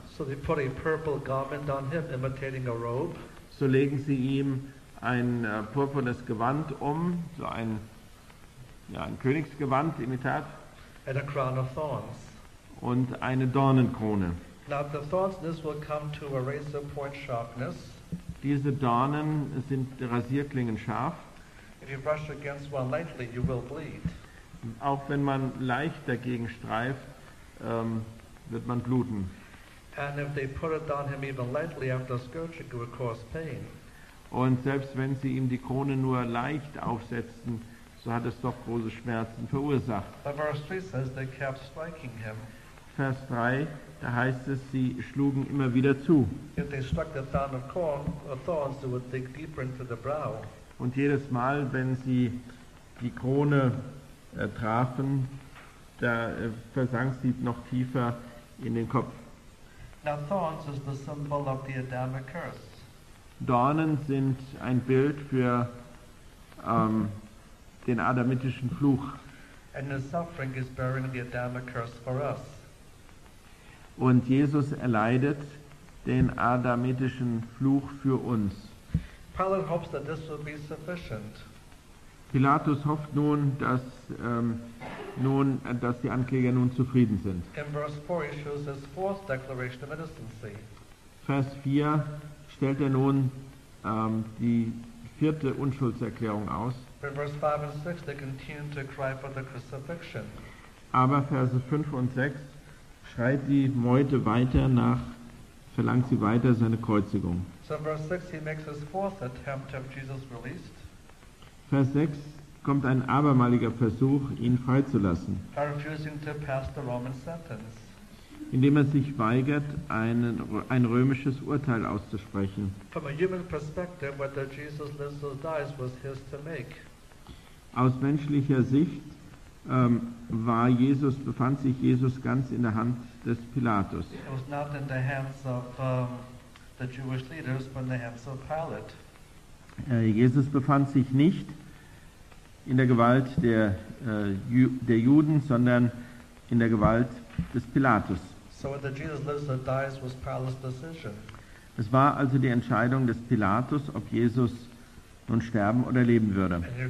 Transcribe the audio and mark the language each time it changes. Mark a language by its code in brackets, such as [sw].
[en] So they put a purple garment on him, imitating a robe. [de] So legen sie ihm ein purpurnes Gewand um, so ein, ja, ein Königsgewand, Imitat. [en] And a crown of thorns. [de] Und eine Dornenkrone. [en] Now the thornsness will come to a razor point sharpness. [de] Diese Dornen sind Rasierklingen scharf. [en] If you brush against one lightly, you will bleed. [de] Auch wenn man leicht dagegen streift, wird man bluten. [en] And if they put it on him even lightly after scourging, it will cause pain. [de] Und selbst wenn sie ihm die Krone nur leicht aufsetzten, so hat es doch große Schmerzen verursacht. [en] But verse 3 says they kept striking him. [de] Vers 3, da heißt es, sie schlugen immer wieder zu. [en] If they struck the thorn of corn or thorns, it would dig deeper into the brow. [de] Und jedes Mal, wenn sie die Krone trafen, da versank sie noch tiefer in den Kopf. [en] Now thorns is the symbol of the Adamic curse. [de] Dornen sind ein Bild für den adamitischen Fluch. [en] And the suffering is bearing the Adamic curse for us. [de] Und Jesus erleidet den adamitischen Fluch für uns. [en] Pilate hopes that this will be sufficient. [de] Pilatus hofft nun, dass die Ankläger nun zufrieden sind. [en] In verse 4 he shows his fourth declaration of innocency. [de] Vers 4 stellt nun die vierte Unschuldserklärung aus. [en] In verse 5 and 6 they continue to cry for the crucifixion. [de] Aber Verse 5 und 6 schreit die Meute weiter nach, verlangt sie weiter seine Kreuzigung. [en] So in verse 6 he makes his fourth attempt to have Jesus released. [de] Vers 6 kommt ein abermaliger Versuch, ihn freizulassen. [en] By refusing to pass the Roman sentence. [de] Indem sich weigert, ein römisches Urteil auszusprechen. [en] From a human perspective, whether Jesus lives or dies was his to make. [de] Aus menschlicher Sicht befand sich Jesus ganz in der Hand des Pilatus. [en] It was not in the hands of the Jewish leaders, but in the hands of Pilate. [de] Jesus befand sich nicht in der Gewalt der Juden, sondern in der Gewalt des Pilatus. [en] So whether Jesus lives or dies was Pilate's decision. [de] Es war also die Entscheidung des Pilatus, ob Jesus nun sterben oder leben würde.